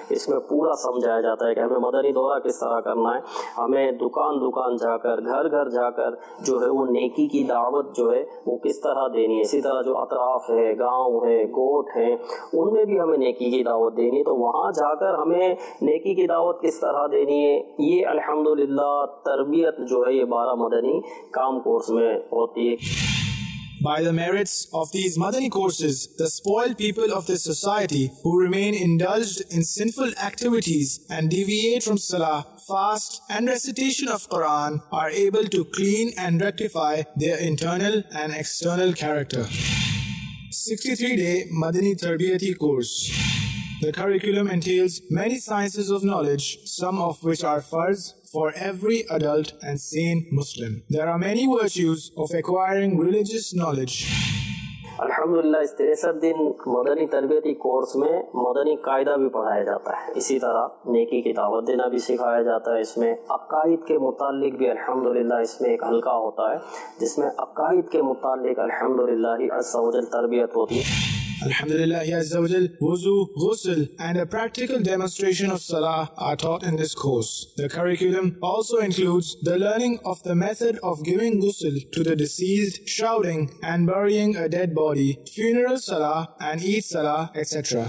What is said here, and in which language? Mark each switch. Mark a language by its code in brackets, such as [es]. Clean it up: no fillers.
[ur] اس میں پورا سمجھایا جاتا ہے کہ ہمیں مدنی دورہ کس طرح کرنا ہے, ہمیں دکان دکان جا کر, گھر گھر جا کر جو ہے وہ نیکی کی دعوت جو ہے وہ کس طرح دینی ہے, اسی طرح جو اطراف ہے, گاؤں ہے, گوٹ ہے, ان میں بھی ہمیں نیکی کی دعوت دینی ہے. تو وہاں جا کر ہمیں نیکی کی دعوت کس طرح دینی ہے, یہ الحمدللہ تربیت جو ہے یہ 12 مدنی کام کورس میں ہوتی ہے. [en] By the merits of these madani courses, the spoiled people of this society who remain indulged in sinful activities and deviate from salah, fast and recitation of Quran are able to clean and rectify their internal and external character. 63-day madani tarbiyati course. The curriculum entails many sciences of knowledge, some of which are farz for every adult and sane Muslim. There are many virtues of acquiring religious knowledge. [ur] الحمدللہ اس 63 دن مدنی تربیتی course میں مدنی قاعدہ بھی پڑھایا جاتا ہے, اسی طرح نیکی کی دعوت دینا بھی سکھایا جاتا ہے, اس میں عقائد کے متعلق بھی الحمدللہ اس میں ایک حلقہ ہوتا ہے جس میں عقائد کے متعلق الحمدللہ عز و جل تربیت ہوتی ہے. الحمدللہ عز و جل, [en] وضو, غسل and a practical demonstration of salah are taught in this course. The curriculum also includes the learning of the method of giving ghusl to the deceased, shrouding and burying a dead body, funeral salah and Eid salah, etc.